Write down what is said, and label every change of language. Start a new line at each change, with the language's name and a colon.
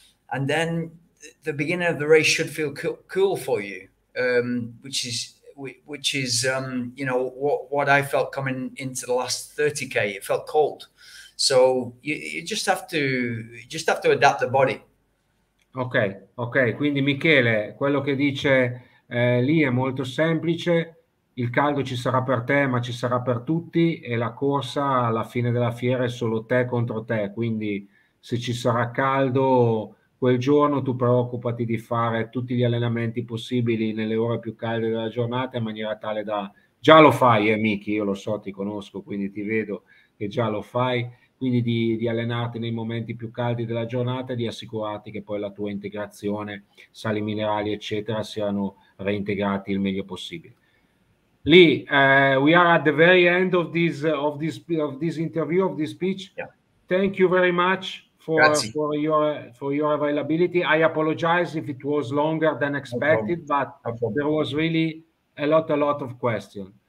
English: And then the beginning of the race should feel cool for you, which is what I felt coming into the last 30K. It felt cold. So you just have to adapt the body.
Italian: Ok, quindi Michele, quello che dice lì è molto semplice: il caldo ci sarà per te, ma ci sarà per tutti, e la corsa alla fine della fiera è solo te contro te, quindi se ci sarà caldo quel giorno tu preoccupati di fare tutti gli allenamenti possibili nelle ore più calde della giornata, in maniera tale da... Già lo fai, Miki, io lo so, ti conosco, quindi ti vedo che già lo fai. Quindi di allenarti nei momenti più caldi della giornata e di assicurarti che poi la tua integrazione, sali minerali, eccetera, siano reintegrati il meglio possibile.
English: Lì, we are at the very end of this interview, of this speech. Yeah. Thank you very much for your availability. I apologize if it was longer than expected, there was really a lot of questions.